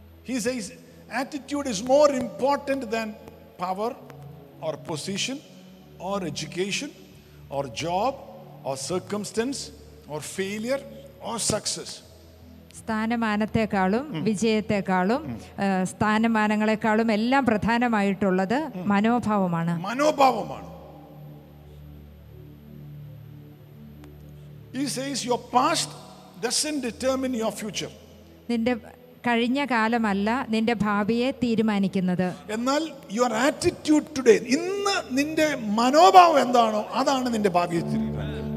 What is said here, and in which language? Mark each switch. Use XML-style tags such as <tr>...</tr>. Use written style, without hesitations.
<en>He says attitude is more important than power or position or education or job or circumstance or failure or success.</en> <ml>സ്ഥാനമാനത്തെക്കാളും വിജയത്തെക്കാളും സ്ഥാനമാനങ്ങളെക്കാളും എല്ലാം പ്രധാനമായിട്ടുള്ളത് മനോഭാവമാണ്. മനോഭാവമാണ്.</ml> <en>He says your past doesn't determine your future.</en> <ml>നിന്റെ കഴിഞ്ഞ കാലമല്ല നിന്റെ ഭാവിയെ തീരുമാനിക്കുന്നത്. എന്നാൽ</ml> <en>your attitude today,</en> <ml>ഇന്ന് നിന്റെ മനോഭാവം എന്താണോ അതാണ് നിന്റെ ഭാവിയെ തീരുമാനിക്കുന്നത്.</ml>